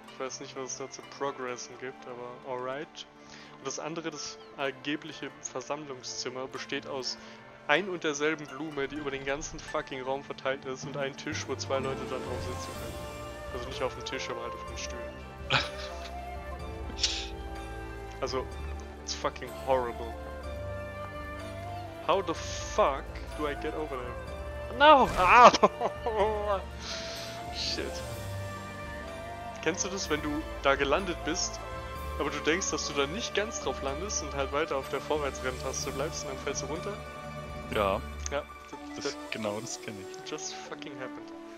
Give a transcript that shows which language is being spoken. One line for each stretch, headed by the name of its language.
German: Ich weiß nicht, was es da zu Progressen gibt, aber alright. Das andere, das angebliche Versammlungszimmer, besteht aus ein und derselben Blume, die über den ganzen fucking Raum verteilt ist, und einen Tisch, wo zwei Leute da drauf sitzen können. Also nicht auf dem Tisch, aber halt auf den Stühlen.
English: Also, it's fucking horrible. How the fuck do I get over there? No! Ah! Shit.
German: Kennst du das, wenn du da gelandet bist, aber du denkst, dass du da nicht ganz drauf landest und halt weiter auf der Vorwärtsrenntaste bleibst und dann fällst du runter? Ja. Ja. Genau, das kenne ich.
English: Just fucking happened.